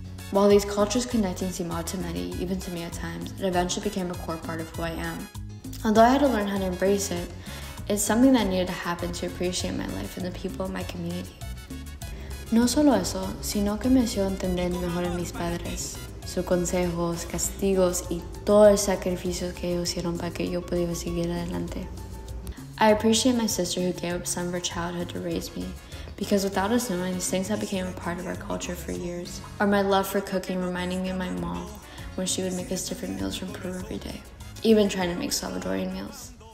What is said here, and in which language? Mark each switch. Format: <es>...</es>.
<en>While these cultures connecting seem odd to many, even to me at times, it eventually became a core part of who I am. Although I had to learn how to embrace it, it's something that needed to happen to appreciate my life and the people in my community.</en> <es>No solo eso, sino que me hizo entender mejor a mis padres, sus consejos, castigos, y todo el sacrificio que ellos hicieron para que yo pudiera seguir adelante.</es> <en>I appreciate my sister who gave up some of her childhood to raise me, because without us knowing, these things have become a part of our culture for years. Or my love for cooking reminding me of my mom when she would make us different meals from Peru every day, even trying to make Salvadorian meals.</en>